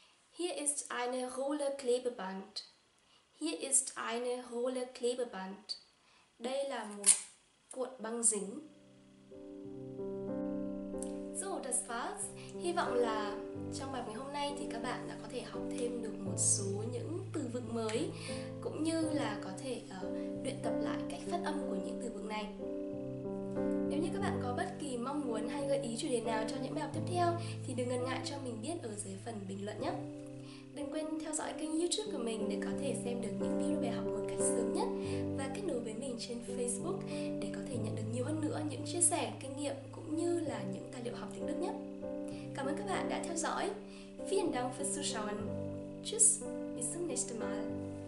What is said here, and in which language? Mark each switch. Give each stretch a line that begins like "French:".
German: Hier ist eine Rolle Klebeband. Hier ist eine Rolle Klebeband.
Vietnamese: Đây là một cuộn băng dính.
German: So, das war's.
Vietnamese: Hy vọng là trong bài ngày hôm nay thì các bạn đã có thể học thêm được một số những từ vựng mới, cũng như là có thể luyện tập lại cách phát âm của những từ vựng này. Nếu như các bạn có bất kỳ mong muốn hay gợi ý chủ đề nào cho những bài học tiếp theo thì đừng ngần ngại cho mình biết ở dưới phần bình luận nhé. Đừng quên theo dõi kênh YouTube của mình để có thể xem được những video bài học một cách sớm nhất, và kết nối với mình trên Facebook để có thể nhận được nhiều hơn nữa những chia sẻ, kinh nghiệm cũng như là những tài liệu học tiếng Đức nhé. Cảm ơn các bạn đã theo dõi.
German: Vielen Dank fürs Zuschauen. Tschüss, bis zum nächsten Mal.